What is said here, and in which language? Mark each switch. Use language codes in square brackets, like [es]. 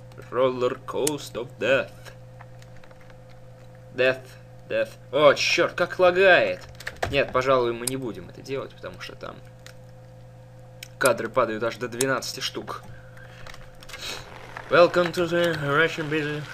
[en] Roller coaster of death. Death. [ru] О, черт, как лагает. Нет, пожалуй, мы не будем это делать, потому что там кадры падают аж до 12 штук. [en] Welcome to the Russian business.